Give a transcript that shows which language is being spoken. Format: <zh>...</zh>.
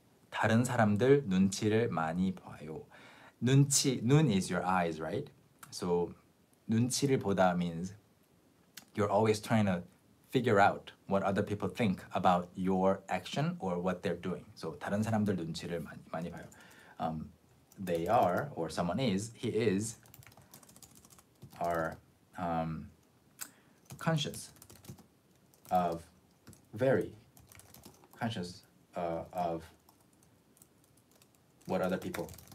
<ko>다른 사람들 눈치를 많이 봐요.</ko> <en>눈치, 눈 is your eyes, right? So, 눈치를 보다 means you're always trying to figure out what other people think about your action or what they're doing.</en> <ko>So 다른 사람들 눈치를 많이 봐요.</ko> <en>They are, or someone is, he is, are very conscious of what other people.</en>